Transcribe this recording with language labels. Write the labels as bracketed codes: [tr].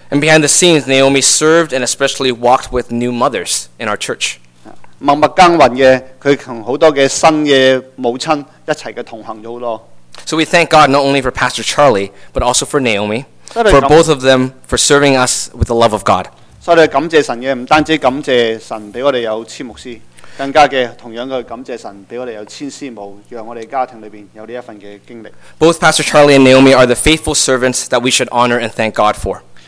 [en] And behind the scenes, Naomi served and especially walked with new mothers in our church [zh] 默默耕耘的她跟很多新的母親一起同行了很多 [en] So we thank God not only for Pastor Charlie but also for Naomi for both of them for serving us with the love of God [zh] 所以我們感謝神的不單止感謝神給我們有千牧師 更加的同樣的感謝神給我們有千絲母讓我們家庭裡面有這一份的經歷 [en] Both Pastor Charlie and Naomi are the faithful servants that we should honor and thank God for